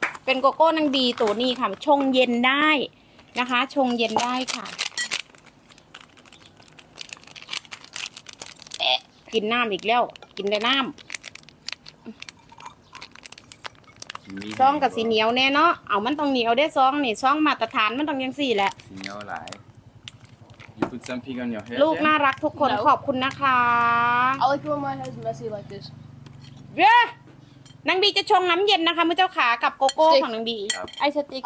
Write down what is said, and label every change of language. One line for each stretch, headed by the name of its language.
Thai: เป็นโกโก้นังดีตัวนี้ค่ะชงเย็นได้นะคะชงเย็นได้ค่ะกินน้ำอีกแล้วกินได้น้ำซองกับสีเหนียวแน่เนาะเอามันต้องเหนียวได้ซองนี่ซองมาตรฐานมันต้องยังสี่แหละ สีเหนียวหลาย
English: you put something on your hair
Thai: ลูกน่ารักทุกคน
English: no.
Thai: ขอบคุณนะคะ
English: I like when my hair is messy like this
Thai: yeah นางบีจะชงน้ำเย็นนะคะมื้อเจ้าขากับโกโก้ของนางบีไอสติ๊ก